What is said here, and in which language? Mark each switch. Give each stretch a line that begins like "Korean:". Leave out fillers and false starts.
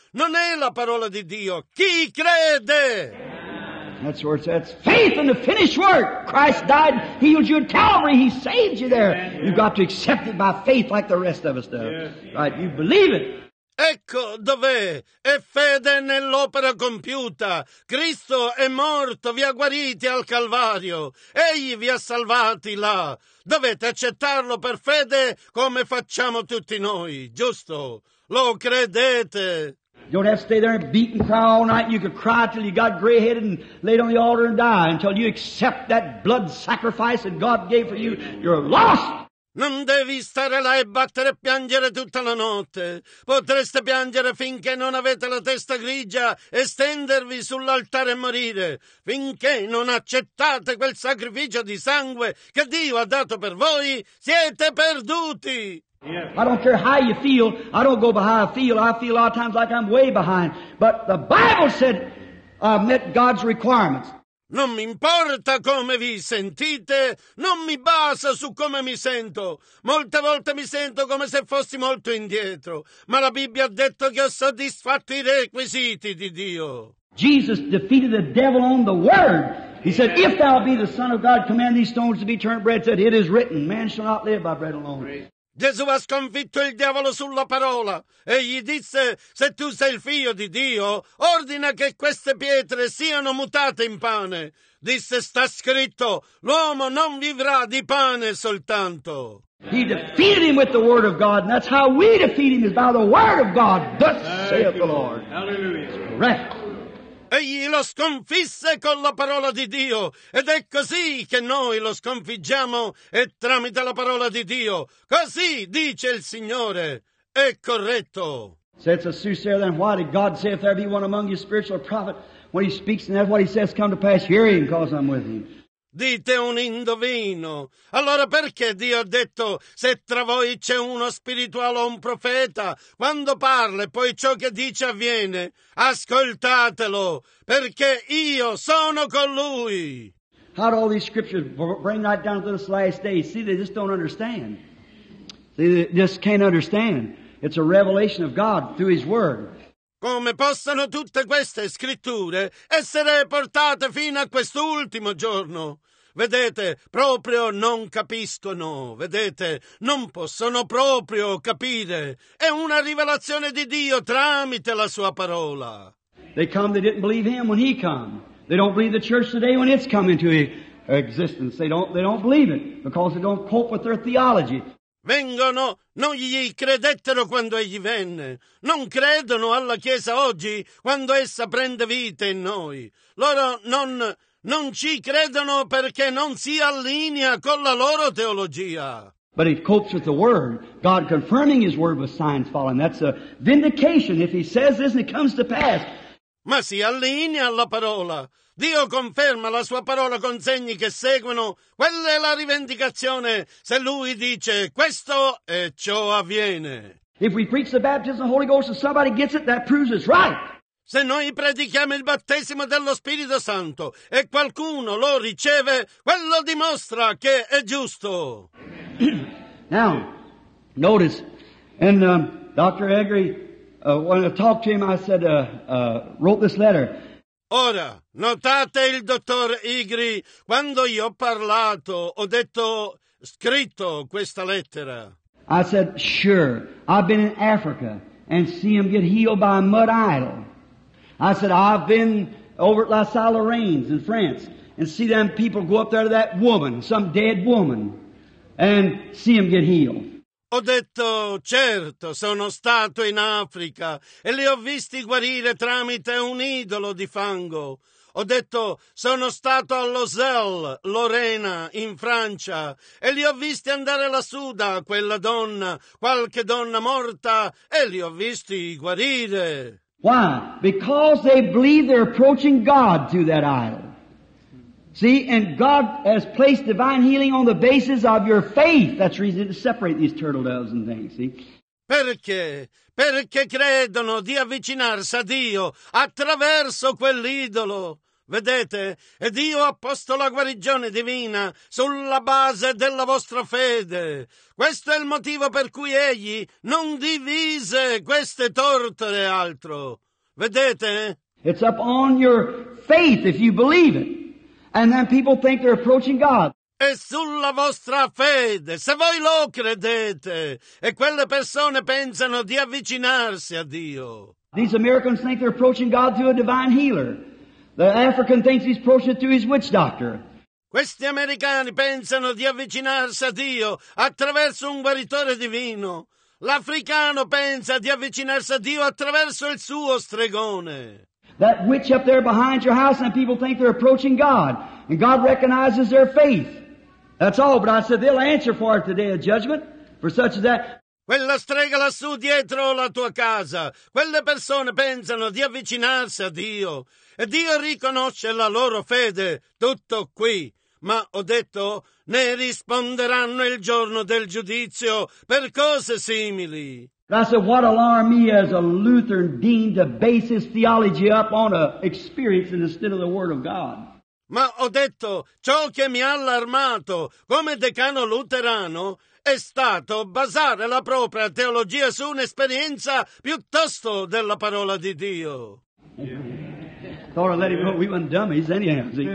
Italian: Non è la parola di Dio. Chi crede?
English: That's where it's at. Faith in the finished work. Christ died, healed you at Calvary. He saved you there. You've got to accept it by faith like the rest of us do. Right? You believe it.
Italian: Ecco dov'è, è fede nell'opera compiuta. Cristo è morto, vi ha guariti al Calvario. Egli vi ha salvati là. Dovete accettarlo per fede come facciamo tutti noi, giusto? Lo credete?
English: You don't have to stay there and beat and cry all night. You could cry till you got gray-headed and laid on the altar and die. Until you accept that blood sacrifice that God gave for you, you're lost!
Italian: Non devi stare là e battere e piangere tutta la notte. Potreste piangere finché non avete la testa grigia e stendervi sull'altare e morire, finché non accettate quel sacrificio di sangue che Dio ha dato per voi, siete perduti.
English: I don't care how you feel, I don't go by how I feel a lot of times like I'm way behind, but the Bible said I've met God's requirements.
Italian: Non mi importa come vi sentite, non mi basa su come mi sento. Molte volte mi sento come se fossi molto indietro, ma la Bibbia ha detto che ho soddisfatto i requisiti di Dio.
English: Jesus defeated the devil on the word. He said, if thou be the Son of God, command these stones to be turned bread. He said, it is written, man shall not live by bread alone.
Italian: Gesù ha sconfitto il diavolo sulla parola e gli disse: se tu sei il figlio di Dio, ordina che queste pietre siano mutate in pane. Disse: sta scritto, l'uomo non vivrà di pane soltanto.
English: He defeated him with the word of God, and that's how we defeat him, is by the word of God, thus saith the Lord. Hallelujah. Right.
Italian: Egli lo sconfisse con la parola di Dio, ed è così che noi lo sconfiggiamo, e tramite la parola di Dio. Così dice il Signore, è corretto.
English: Says a soothsayer, then why did God say, if there be one among you spiritual prophet, when he speaks and that what he says come to pass, hear him, cause I'm with him.
Italian: Dite un indovino. Allora perché Dio ha detto, se tra voi c'è uno spirituale o un profeta, quando parla e poi ciò che dice avviene, ascoltatelo, perché io sono con lui.
English: How do all these scriptures bring that down to this last day? See, they just don't understand. They just can't understand. It's a revelation of God through his word.
Italian: Come possono tutte queste scritture essere portate fino a quest'ultimo giorno? Vedete, proprio non capiscono, vedete, non possono proprio capire. È una rivelazione di Dio tramite la sua parola.
English: They come, they didn't believe him when he come. They don't believe the church today when it's come into existence. They don't believe it because they don't cope with their theology.
Italian: Vengono, non gli credettero quando egli venne. Non credono alla Chiesa oggi, quando essa prende vita in noi. Loro non ci credono perché non si allinea con la loro teologia.
English: But it copes with the Word. God confirming His Word with signs following. That's a vindication. If He says this and it comes to pass.
Italian: Ma si allinea alla parola. Dio conferma la sua parola con segni che seguono. Quella è la rivendicazione se lui dice questo e ciò avviene.
English: If we preach the baptism of the Holy Ghost and somebody gets it, that proves it's right.
Italian: Se noi predichiamo il battesimo dello Spirito Santo e qualcuno lo riceve, quello dimostra che è giusto.
English: Now, notice, and Dr. Agri, when I talked to him, I said, wrote this letter.
Italian: Ora, notate il dottor Igri, quando io ho parlato, ho detto, scritto questa lettera.
English: I said, sure, I've been in Africa and see him get healed by a mud idol. I said, I've been over at La Salle Lorraine's in France and see them people go up there to that woman, some dead woman, and see him get healed.
Italian: Ho detto, certo, sono stato in Africa e li ho visti guarire tramite un idolo di fango. Ho detto, sono stato a Lozelle, Lorena, in Francia, e li ho visti andare lassù da quella donna, qualche donna morta, e li ho visti guarire.
English: Why? Because they believe they're approaching God through that idol. See, and God has placed divine healing on the basis of your faith. That's the reason to separate these turtle doves and things, see?
Italian: Perché? Perché credono di avvicinarsi a Dio attraverso quell'idolo. Vedete? E Dio ha posto la guarigione divina sulla base della vostra fede. Questo è il motivo per cui egli non divise queste tortole e altro. Vedete?
English: It's up on your faith if you believe it. And then people think they're approaching God.
Italian: E sulla vostra fede, se voi lo credete, e quelle persone pensano di avvicinarsi a Dio.
English: These Americans think they're approaching God through a divine healer. The African thinks he's approaching through his witch doctor.
Italian: Questi americani pensano di avvicinarsi a Dio attraverso un guaritore divino. L'africano pensa di avvicinarsi a Dio attraverso il suo stregone.
English: That witch up there behind your house, and people think they're approaching God. And God recognizes their faith. That's all, but I said they'll answer for it today of judgment, for such as that.
Italian: Quella strega lassù dietro la tua casa. Quelle persone pensano di avvicinarsi a Dio. E Dio riconosce la loro fede, tutto qui. Ma ho detto, ne risponderanno il giorno del giudizio per cose simili.
English: I said, what alarmed me as a Lutheran dean to base his theology up on an experience instead of the Word of God.
Italian: Ma ho detto, ciò che mi ha allarmato come decano luterano è stato basare la propria teologia su un'esperienza piuttosto della parola di Dio.
English: Thought I'd let him go. We weren't dummies anyhow.